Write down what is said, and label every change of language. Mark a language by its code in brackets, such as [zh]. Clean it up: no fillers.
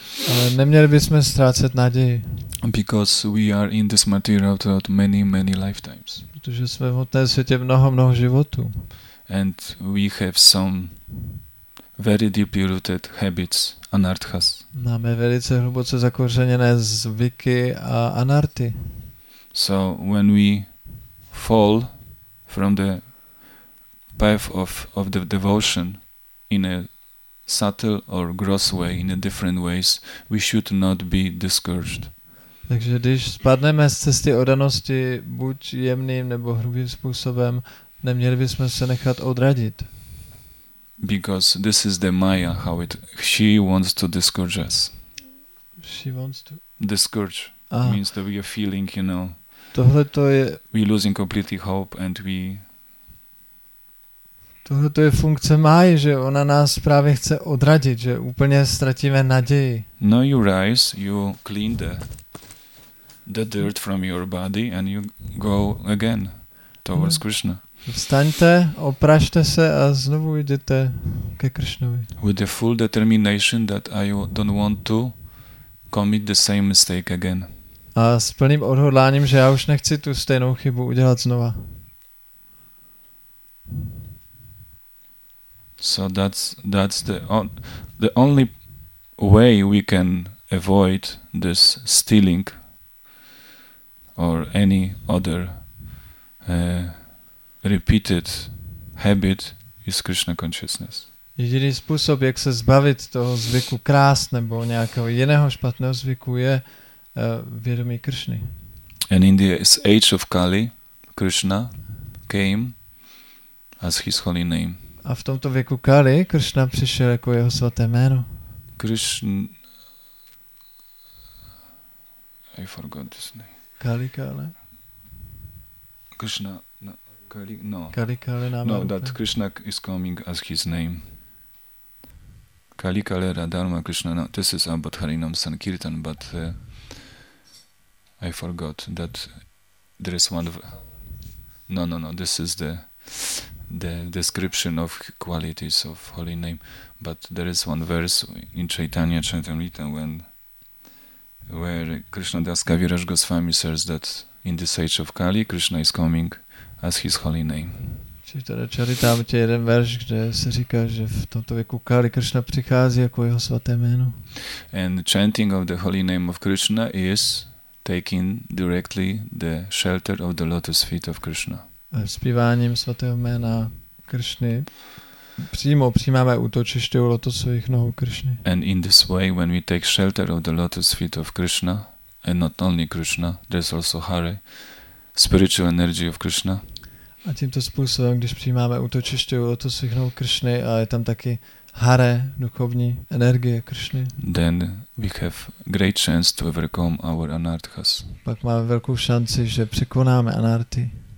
[cs] Ale neměli bychom ztrácet naději. [en] Because we are in this material throughout many, many lifetimes. [cs] Protože jsme v hmotném světě mnoho, mnoho životů. [en] And we have some very deeply rooted habits, anarthas. [cs] Máme velice hluboce zakořeněné zvyky a anarty. [en] So when we fall from the path of the devotion in a subtle or gross way, in a different ways, we should not be discouraged. [cs] Takže když spadneme z cesty oddanosti buď jemným nebo hrubým způsobem, neměli bychom se nechat odradit. [en] Because this is the Maya, how it she wants to discourage us. She wants to discourage. Aha. Means that we are feeling, you know. [cs] Tohle to je [en] we losing completely hope and we [cs] Tohle to je funkce Máji, že ona nás právě chce odradit, že úplně ztratíme naději. [en] No, you rise, you clean the dirt from your body and you go again towards Krishna. [cs] Vstaňte, oprašte se a znovu jdete ke Krishnovi. [en] With the full determination that I don't want to commit the same mistake again. [cs] A s plným odhodláním, že já už nechci tu stejnou chybu udělat znova. [en] So that's the only way we can avoid this stealing or any other repeated habit is Krishna consciousness. [cs] Jediný způsob, jak se zbavit toho zvyku krást nebo nějakého jiného špatného zvyku, je vědomí Krishny. [en] And in the age of Kali, Krishna came as his holy name. [cs] A v tomto věku Kali Krishna přišel jako jeho svaté jméno. [en] Krishna, I forgot his name. [sa] Kali Kale. [en] Krishna, no, Kali, no. [sa] Kali Kale Nama. [en] No, that Krishna is coming as his name. Kali Kale Radharma Krishna. No, this is about Harinam Sankirtan, but I forgot that there is one. No. This is the description of qualities of holy name, but there is one verse in Chaitanya Charitamrita where Krishna Das Kaviraj Goswami says that in this age of Kali, Krishna is coming as his holy name. [cs] Chaitanya Charitamrita, jeden verš, kde se říká, že v tomto věku Kali Krishna přichází jako jeho svaté jméno. [en] And chanting of the holy name of Krishna is taking directly the shelter of the lotus feet of Krishna. [cs] Zpíváním svatého jména Krishny přímo přijímáme útočiště u lotosových nohou Krishny. [en] And in this way, when we take shelter of the lotus feet of Krishna, and not only Krishna, there's also Hare, spiritual energy of Krishna. [cs] A tímto způsobem, když přijímáme útočiště u lotosových nohou Krishny a je tam taky Hare, duchovní energie Krishny, [en] then we have great chance to overcome our anarthas. [cs] Pak máme velkou šanci, že překonáme anarty.